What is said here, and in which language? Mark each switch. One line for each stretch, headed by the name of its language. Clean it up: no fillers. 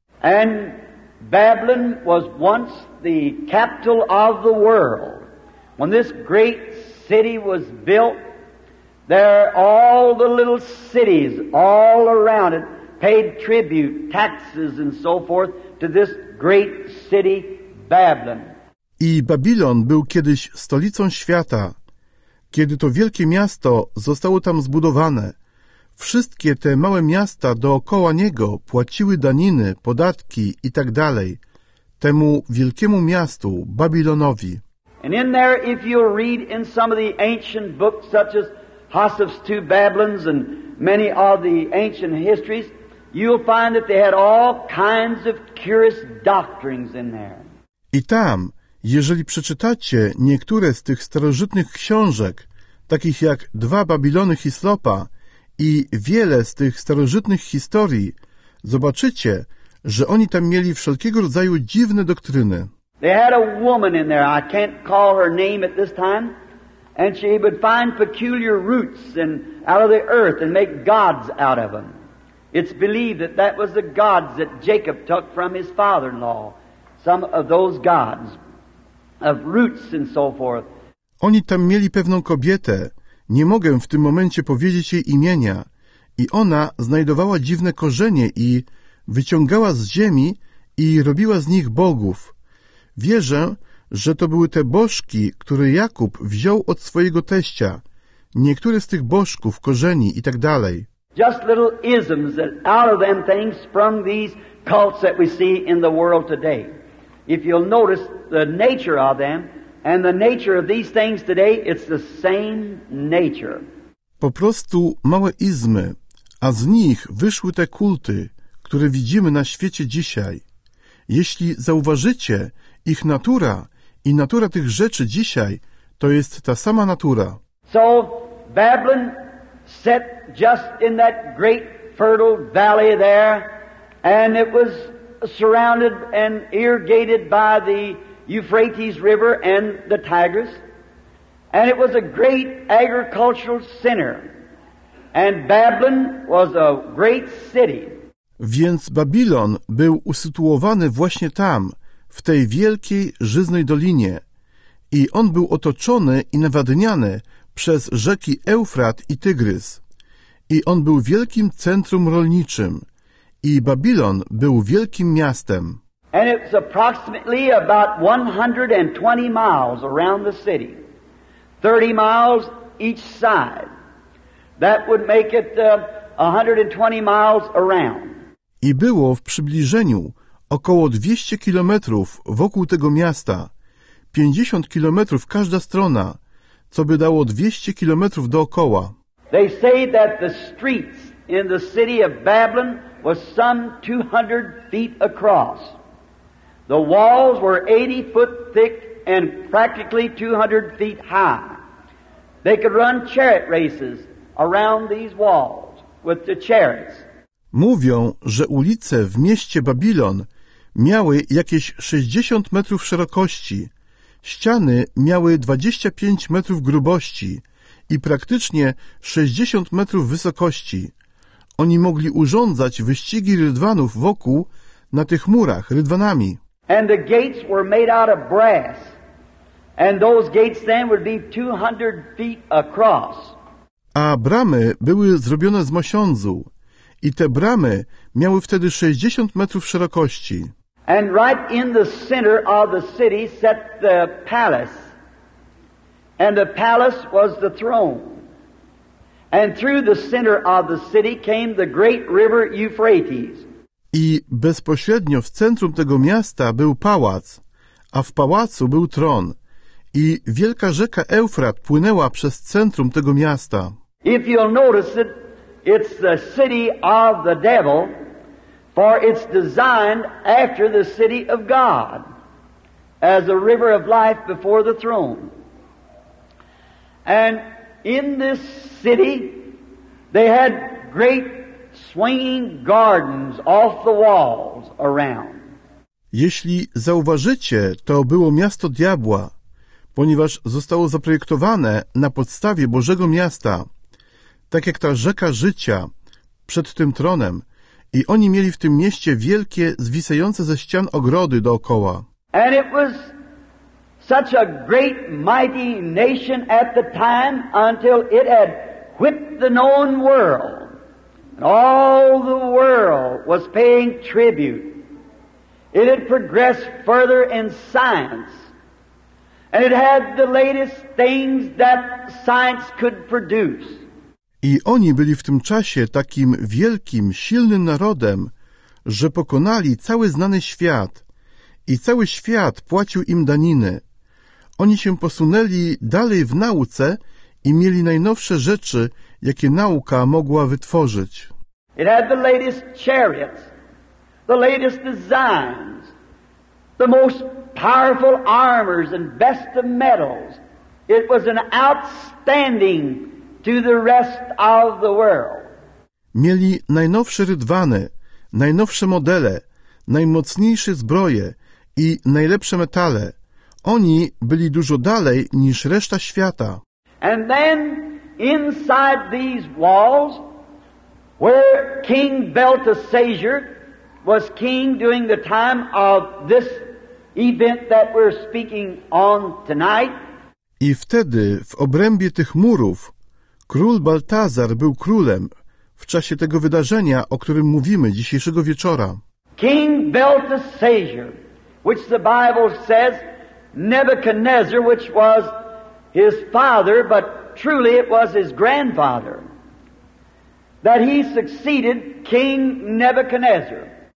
English: And Babylon was once the capital of the world. When this great city was built, there all the little cities all around it paid tribute, taxes and so forth, to this great city Babylon.
Polish: I Babilon był kiedyś stolicą świata. Kiedy to wielkie miasto zostało tam zbudowane, wszystkie te małe miasta dookoła niego płaciły daniny, podatki i tak dalej. temu wielkiemu miastu, Babilonowi.
English: And in there, if you'll read in some of the ancient books, such as Hoseph's Two Babylons and many of the ancient histories, you'll find that they had all kinds of curious doctrines in there.
Polish: I tam, jeżeli przeczytacie niektóre z tych starożytnych książek, takich jak Dwa Babilony Hislopa i wiele z tych starożytnych historii, zobaczycie, że oni tam mieli wszelkiego rodzaju dziwne doktryny.
English: They had a woman in there, I can't call her name at this time, and she would find peculiar roots and out of the earth and make gods out of them. It's believed that that was the gods that Jacob took from his father-in-law, some of those gods of roots and so forth.
Polish: Oni tam mieli pewną kobietę, nie mogę w tym momencie powiedzieć jej imienia, i ona znajdowała dziwne korzenie i wyciągała z ziemi i robiła z nich bogów. Wierzę, że to były te bożki, które Jakub wziął od swojego teścia, niektóre z tych bożków, korzeni i tak dalej.
English: Just little isms that out of them things sprung these cults that we see in the world today. If you'll notice the nature of them and the nature of these things today, it's the same nature.
Polish: Po prostu małe izmy, a z nich wyszły te kulty, które widzimy na świecie dzisiaj. Jeśli zauważycie, ich natura i natura tych rzeczy dzisiaj to jest ta sama natura.
English: So Babylon set just in that great fertile valley there, and it was surrounded and irrigated by the Euphrates River and the Tigris, and it was a great agricultural center, and Babylon was a great city.
Polish: Więc Babilon był usytuowany właśnie tam, w tej wielkiej, żyznej dolinie. I on był otoczony i nawadniany przez rzeki Eufrat i Tygrys. I on był wielkim centrum rolniczym. I Babilon był wielkim miastem.
English: And it was approximately about 120 miles around the city. 30 miles each side. That would make it 120 miles around.
Polish: I było w przybliżeniu około 200 kilometrów wokół tego miasta, 50 kilometrów każda strona, co by dało 200 kilometrów dookoła.
English: They say that the streets in the city of Babylon was some 200 feet across. The walls were 80 foot thick and practically 200 feet high. They could run chariot races around these walls with the chariots.
Polish: Mówią, że ulice w mieście Babilon miały jakieś 60 metrów szerokości, ściany miały 25 metrów grubości i praktycznie 60 metrów wysokości. Oni mogli urządzać wyścigi rydwanów wokół na tych murach rydwanami.
English: And the gates were made out of brass, and those gates then would be 200 feet across.
Polish: A bramy były zrobione z mosiądzu i te bramy miały wtedy 60 metrów szerokości.
English: And right in the center of the city sat the palace. And the palace was the throne. And through the center of the city came the great river Euphrates.
Polish: I bezpośrednio w centrum tego miasta był pałac, a w pałacu był tron. I wielka rzeka Eufrat płynęła przez centrum tego miasta.
English: If you'll notice it, it's the city of the devil. For it's designed after the city of God, as a river of life before the throne. And in this city, they had great swinging gardens off the walls around.
Polish: Jeśli zauważycie, to było miasto diabła, ponieważ zostało zaprojektowane na podstawie Bożego miasta, tak jak ta rzeka życia przed tym tronem. I oni mieli w tym mieście wielkie, zwisające ze ścian ogrody dookoła.
English: And it was such a great, mighty nation at the time until it had whipped the known world. And all the world was paying tribute. It had progressed further in science. And it had the latest things that science could produce.
Polish: I oni byli w tym czasie takim wielkim, silnym narodem, że pokonali cały znany świat i cały świat płacił im daniny. Oni się posunęli dalej w nauce i mieli najnowsze rzeczy, jakie nauka mogła wytworzyć.
English: It had the latest chariots, the latest designs, the most powerful armors and best of metals. It was an outstanding to the rest of the world.
Polish: Mieli najnowsze rydwany, najnowsze modele, najmocniejsze zbroje i najlepsze metale. Oni byli dużo dalej niż reszta świata.
English: And then inside these walls, where King Belteshazzar was king during the time of this event that we're speaking on tonight.
Polish: I wtedy w obrębie tych murów król Baltazar był królem w czasie tego wydarzenia, o którym mówimy dzisiejszego wieczora.
English: King Belteshazzar, which the Bible says Nebuchadnezzar, which was his father, but truly it was his grandfather, that he succeeded King Nebuchadnezzar.